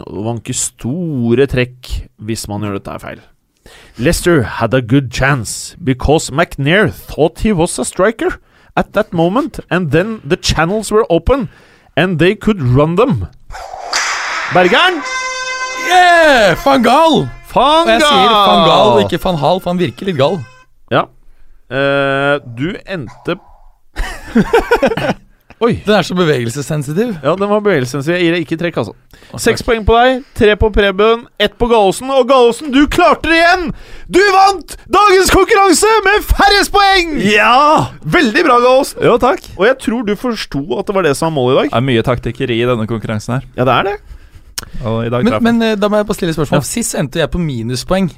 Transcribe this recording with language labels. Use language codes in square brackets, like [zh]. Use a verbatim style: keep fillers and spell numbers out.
[no] Og vanker store trekk hvis man gjør dette feil. [en] Leicester had a good chance because McNair thought he was a striker at that moment, and then the channels were open and they could run them. [no] Bergeren! [en] Yeah! Van Gaal! Van Gaal! [no] Jeg sier Van Gaal, ikke Van Hal, for han virker litt gal. Ja. Uh, du endte Oi. Den er så bevegelsessensitiv. Ja, den var bevegelsessensitiv. Jeg gir deg ikke trekk, altså. Seks poeng på deg, tre på Preben, ett på Gallosen. Og Gallosen, du klarte det igjen! Du vant dagens konkurranse med færrest poeng! Ja! Veldig bra, Gallosen. Jo, takk. Og jeg tror du forsto at det var det som var målet i dag. Det er mye taktikkeri i denne konkurransen her. Ja, det er det. Men, men da må jeg bare stille spørsmål. Ja. Sist endte jeg på minuspoeng.